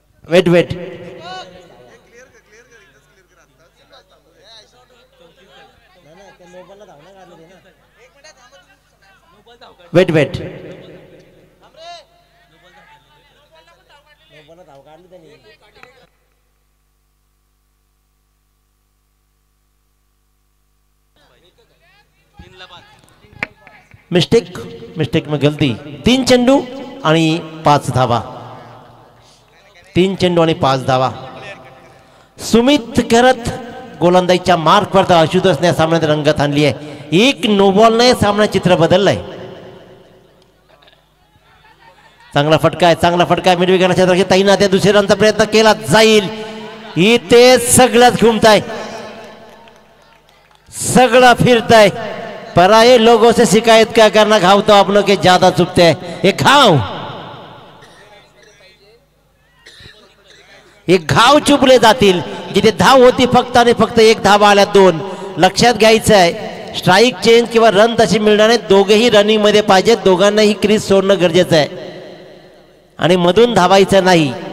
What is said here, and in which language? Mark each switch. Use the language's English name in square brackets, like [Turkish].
[English] wait wait, wait wait, mistake mistake [Hindi] में गलती. [Marathi] तीन चेंडू आणि 5 धावा, तीन चेंडू आणि 5 धावा. सुमित करत गोलंदाजीच्या मार्कवर तर अशुतोषने सामन्यात रंगत आणली आहे. एक नोबॉलने सामना चित्र बदललंय. चांगला फटका आहे, चांगला फटका आहे. मिडविकेटच्या तर्फे तैनात आहे. दुसऱ्या रनचा प्रयत्न केला जाईल. इथे सगळंच घुमतंय, सगळं फिरतंय. [Hindi] पराये लोगों से शिकायत क्या करना, घाव तो अपनों के ज्यादा चुभते हैं. [Marathi] एक घाव, एक घाव चुभले जातील. जिथे धाव होती फक्त आणि फक्त एक धाव आल्या दोन. लक्षात घ्यायचं आहे, स्ट्राईक चेंज किंवा रन तशी मिळणार नाही, दोघेही रनिंग मध्ये पाहिजे. दोघांनाही क्रीज सोडणं गरजेचं आहे आणि मधून धावायचं नाही.